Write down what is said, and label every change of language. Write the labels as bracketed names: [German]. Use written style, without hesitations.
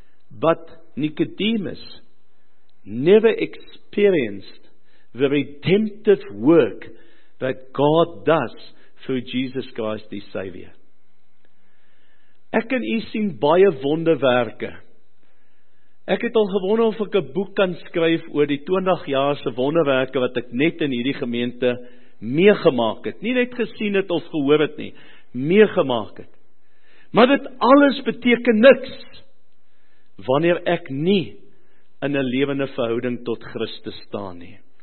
[English] But Nicodemus never experienced the redemptive work that God does through Jesus Christ, his Savior. [Afrikaans] Ek en u sien baie wonderwerke, Ek het al gewonder of ek 'n boek kan skryf oor die 20 jaar se wonderwerke wat ek net in hierdie gemeente meegemaak het. Nie net gesien het of gehoor het nie, meegemaak het. Maar dit alles beteken niks wanneer ek nie in 'n lewende verhouding tot Christus staan nie.